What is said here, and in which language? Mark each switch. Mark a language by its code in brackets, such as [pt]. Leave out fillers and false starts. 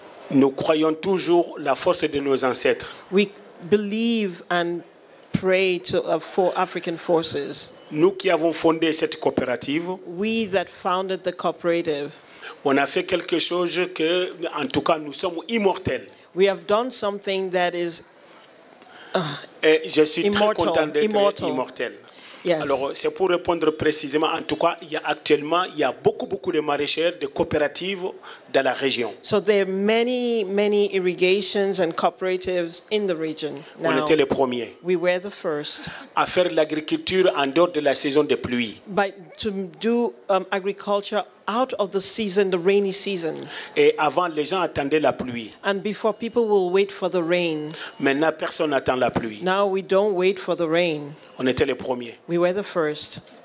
[fr] Nous croyons toujours la force de nos ancêtres. [en] We believe and pray to for African forces. [fr] Nous qui avons fondé cette coopérative. [en] We that founded the cooperative. [fr] On a fait quelque chose que, en tout cas, nous sommes immortels. [en] We have done something that is [fr] et je suis immortal, très content d'être immortel. [en] Yes. [fr] Alors, c'est pour répondre précisément. En tout cas, il y a beaucoup de maraîchers, de coopératives dans la région. [en] So there are many irrigations and cooperatives in the region. [fr] On était les premiers. [en] We were the first. [fr] À faire l'agriculture en dehors de la saison de pluie. [en] But to do agriculture out of the season, the rainy season. [fr] Et avant, les gens attendaient la pluie. [en] And before, people will wait for the rain. [fr] Maintenant, personne n'attend la pluie. [en] Now we don't wait for the rain. [fr] On était les premiers. [en] We were the first.